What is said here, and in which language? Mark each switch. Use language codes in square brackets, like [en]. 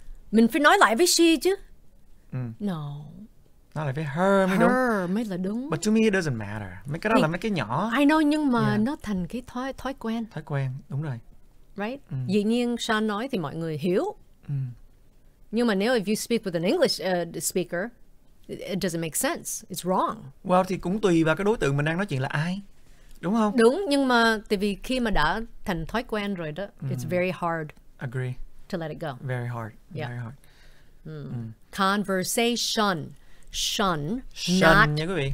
[vi] Mình phải nói lại với she chứ. [en] No. [vi] Nói lại với her mới đúng. Her mới là đúng. [en] But to me it doesn't matter. [vi] Mấy cái đó là mấy cái nhỏ. [en] I know, [vi] nhưng mà nó thành cái thói quen. Thói quen, đúng rồi. [en] Right? [vi] Dĩ nhiên Sean nói thì mọi người hiểu. Nhưng mà nếu [en] if you speak with an English speaker, it doesn't make sense. It's wrong. [vi] Well, thì cũng tùy vào cái đối tượng mình đang nói chuyện là ai. Đúng không? Đúng, nhưng mà tại vì khi mà đã thành thói quen rồi đó, [en] it's very hard. Agree. To let it go. Very hard. Yeah. Very hard. Conversation. Shun, [vi] nha quý vị.